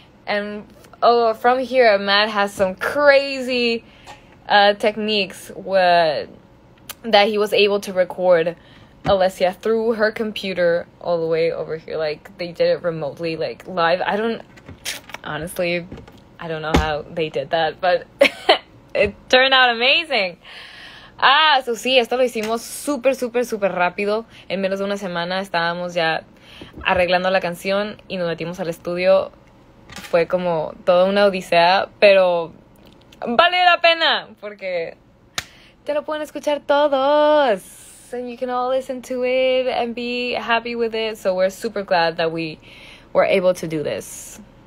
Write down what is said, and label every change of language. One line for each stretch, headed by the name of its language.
English: And from here, Matt has some crazy techniques that he was able to record Alessia through her computer all the way over here. Like, they did it remotely, like, live. I don't know how they did that, but it turned out amazing.
Spanish: Ah, so sí, esto lo hicimos súper, súper, súper rápido. En menos de una semana estábamos ya arreglando la canción y nos metimos al estudio. Fue como toda una odisea, pero vale la pena porque te lo pueden escuchar todos.
English: And you can all listen to it and be happy with it. So we're super glad that we were able to do this.